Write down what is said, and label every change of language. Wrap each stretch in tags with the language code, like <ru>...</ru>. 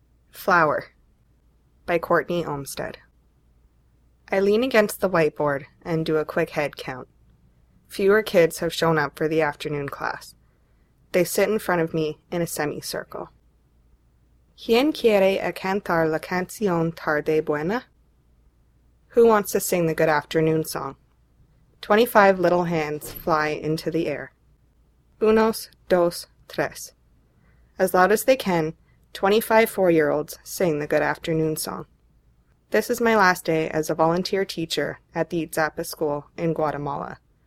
<en>Flower by Courtney Olmsted. I lean against the whiteboard and do a quick head count. Fewer kids have shown up for the afternoon class. They sit in front of me in a semicircle.</en> <es>¿Quién quiere a cantar la canción tarde buena?</es> <en>Who wants to sing the good afternoon song? 25 little hands fly into the air.</en> <es>Unos, dos, tres.</es> <en>As loud as they can, 25 four-year-olds sing the good afternoon song. This is my last day as a volunteer teacher at the Itzapa School in Guatemala.</en>